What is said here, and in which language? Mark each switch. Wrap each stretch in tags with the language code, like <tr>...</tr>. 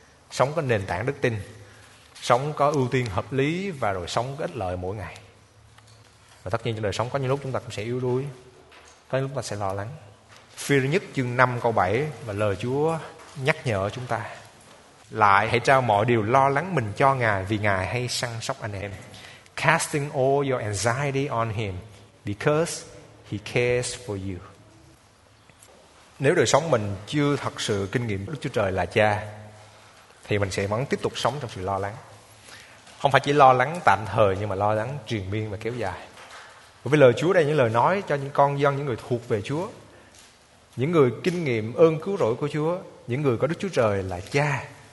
<vi>Sống có nền tảng đức tin, sống có ưu tiên hợp lý và rồi sống có ích lợi mỗi ngày. Và tất nhiên trong đời sống có những lúc chúng ta cũng sẽ yếu đuối, có những lúc ta sẽ lo lắng. Phi-líp nhất chương 5 câu 7 và lời Chúa nhắc nhở chúng ta: lại hãy trao mọi điều lo lắng mình cho Ngài, vì Ngài hay săn sóc anh em.</vi> <en>Casting all your anxiety on Him, because He cares for you.</en> <vi>Nếu đời sống mình chưa thật sự kinh nghiệm Đức Chúa Trời là Cha, thì mình sẽ vẫn tiếp tục sống trong sự lo lắng. Không phải chỉ lo lắng tạm thời, nhưng mà lo lắng triền miên và kéo dài. Bởi vì lời Chúa đây, những lời nói cho những con dân, những người thuộc về Chúa, những người kinh nghiệm ơn cứu rỗi của Chúa, những người có Đức Chúa Trời là Cha.</vi>